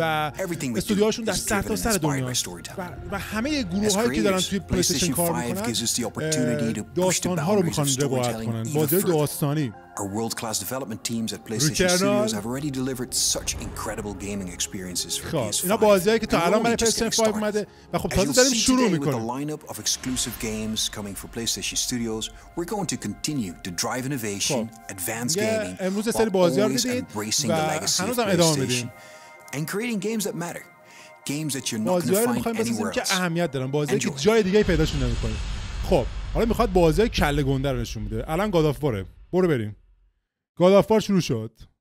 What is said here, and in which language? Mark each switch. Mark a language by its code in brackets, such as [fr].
[en] Everything we do is driven and inspired by storytelling. As creators, PlayStation 5 gives us the opportunity to push the boundaries of storytelling even further. Our world-class development teams at PlayStation Studios have already delivered such incredible gaming experiences for PS5. [fa] اینا بازیایی که تا الان برای PlayStation 5 اومده و خب تازه داریم شروع می‌کنیم. [en] With a lineup of exclusive games coming for PlayStation Studios, we're going to continue to drive innovation, advance gaming. [fa] امروز یه سری بازی‌ها رو دیدین و هنوز هم ادامه می‌دیم. [en] And creating games that matter. Games that you're not going to find anywhere else. [fa] که اهمیت دارن، بازی‌ای که جای دیگه‌ای پیداشون نمی‌کنه. خب، حالا می‌خواد بازی‌های کله گنده رو نشون بده. الان God of War. برو بریم. God of War شروع شد.